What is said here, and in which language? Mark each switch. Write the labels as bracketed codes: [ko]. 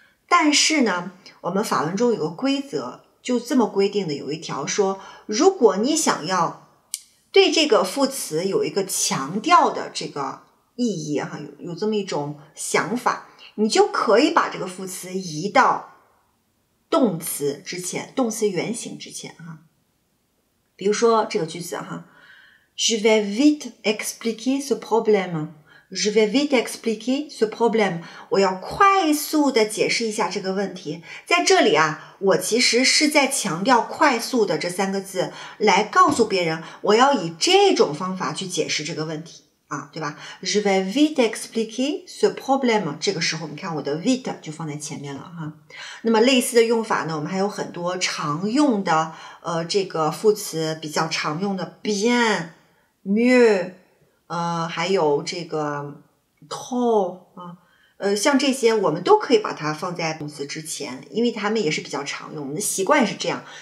[zh] 但是呢，我们法文中有个规则，就这么规定的，有一条说，如果你想要对这个副词有一个强调的这个意义哈，有这么一种想法，你就可以把这个副词移到动词之前，动词原形之前哈。比如说这个句子哈 [fr] ，Je vais vite expliquer ce problème. Je vais vite expliquer ce problème. [zh] 我要快速的解释一下这个问题。在这里啊，我其实是在强调“快速的”这三个字，来告诉别人我要以这种方法去解释这个问题。啊，对吧 [fr] ？Je vais vite expliquer ce problème。 [zh] 这个时候，你看我的 vite 就放在前面了哈。那么类似的用法呢，我们还有很多常用的这个副词比较常用的 bien、mieux， 还有这个 trop 啊，像这些我们都可以把它放在动词之前，因为它们也是比较常用，我们的习惯是这样。